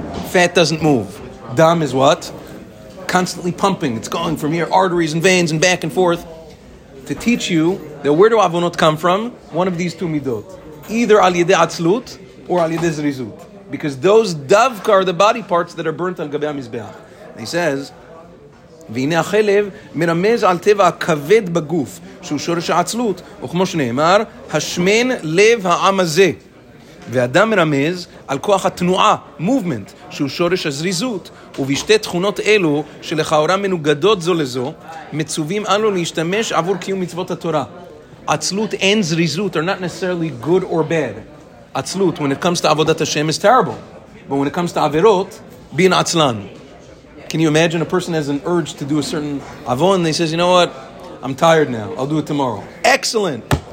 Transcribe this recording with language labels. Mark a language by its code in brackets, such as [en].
[en] Fat doesn't move. Dam is what? Constantly pumping. It's going from here, arteries and veins and back and forth. To teach you that where do avonot come from? One of these two midot. Either [he] al yedei atzlut [en] or [he] al yedei zrizut. [en] Because those davka are the body parts that are burnt [he] al gabei ha'mizbeach. [en] He says, [he] והנה החלב מרמז על טבע הכבד בגוף, שהוא שורש העצלות, וכמו שנאמר, השמן לב העם הזה. ואדם מרמז על כוח התנועה, movement, שהוא שורש הזריזות, ובשתי תכונות אלו, שלכאורה מנוגדות זו לזו, מצווים אנו להשתמש עבור קיום מצוות התורה. [en] עצלות and זריזות are not necessarily good or bad. עצלות, when it comes to עבודת השם, is terrible. But when it comes to עבירות, being עצלן. Can you imagine a person has an urge to do a certain avon and he says, you know what, I'm tired now, I'll do it tomorrow. Excellent!